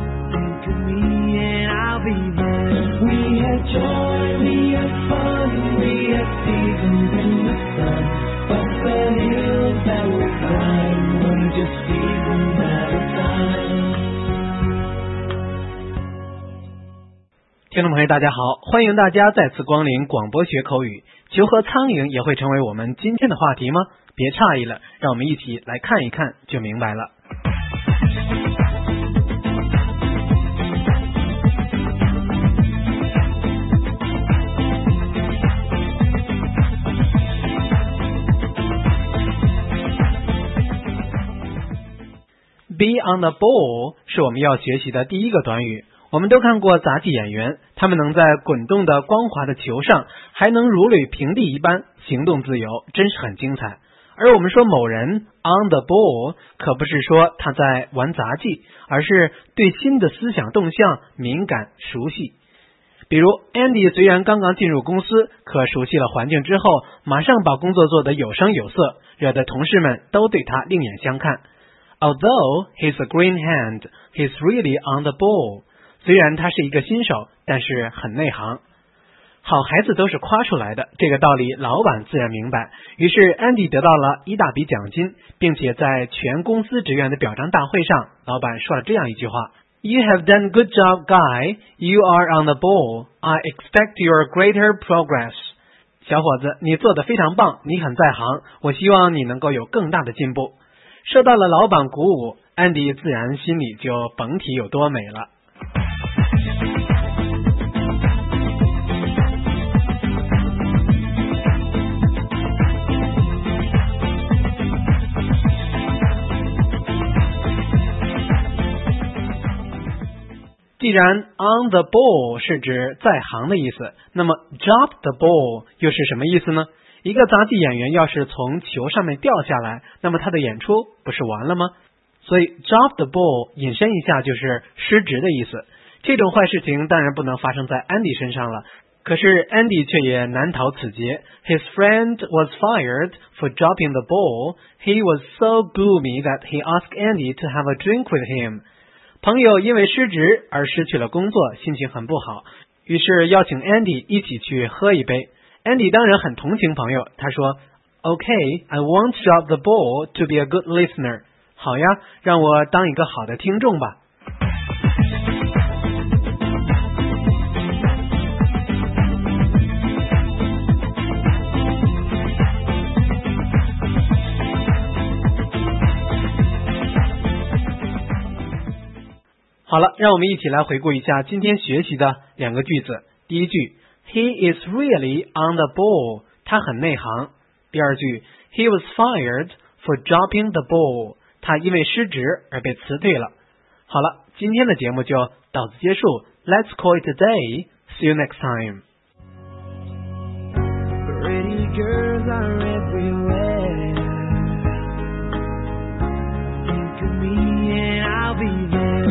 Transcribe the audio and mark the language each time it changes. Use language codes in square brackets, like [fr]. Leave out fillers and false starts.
[en] Think of me and I'll be there. We had joy, we had fun, we had seasons in the sun. But the hills that we climbed were just seasons at a time. [zh] 听众朋友大家好，欢迎大家再次光临广播学口语。球和苍蝇也会成为我们今天的话题吗？别诧异了，让我们一起来看一看就明白了。 Be on the ball 是我们要学习的第一个短语。我们都看过杂技演员，他们能在滚动的光滑的球上，还能如履平地一般行动自由，真是很精彩。而我们说某人 on the ball， 可不是说他在玩杂技，而是对新的思想动向敏感熟悉。比如 Andy 虽然刚刚进入公司，可熟悉了环境之后，马上把工作做得有声有色，惹得同事们都对他另眼相看。 [en] Although he's a green hand, he's really on the ball. [zh] 虽然他是一个新手，但是很内行。好孩子都是夸出来的，这个道理老板自然明白。于是 Andy 得到了一大笔奖金，并且在全公司职员的表彰大会上，老板说了这样一句话： [en] You have done good job, guy. You are on the ball. I expect your greater progress. [zh] 小伙子，你做得非常棒，你很在行，我希望你能够有更大的进步。受到了老板鼓舞， Andy 自然心里就甭提有多美了。既然 on the ball 是指在行的意思，那么 drop the ball 又是什么意思呢？一个杂技演员要是从球上面掉下来，那么他的演出不是完了吗？所以 drop the ball 引申一下就是失职的意思。这种坏事情当然不能发生在 Andy 身上了，可是 Andy 却也难逃此劫。 [en] His friend was fired for dropping the ball. He was so gloomy that he asked Andy to have a drink with him. [zh] 朋友因为失职而失去了工作，心情很不好，于是邀请 Andy 一起去喝一杯。 [en] Andy [zh] 当然很同情朋友，他说 [en] OK, I won't drop the ball to be a good listener. [zh] 好呀，让我当一个好的听众吧。好了，让我们一起来回顾一下今天学习的两个句子。第一句 [en] ,He is really on the ball, [zh] 他很内行。第二句 , [en] He was fired for dropping the ball, [zh] 他因为失职而被辞退了。好了，今天的节目就到此结束。 [en] Let's call it a day, see you next time. Pretty girls are everywhere. Think of me and I'll be there.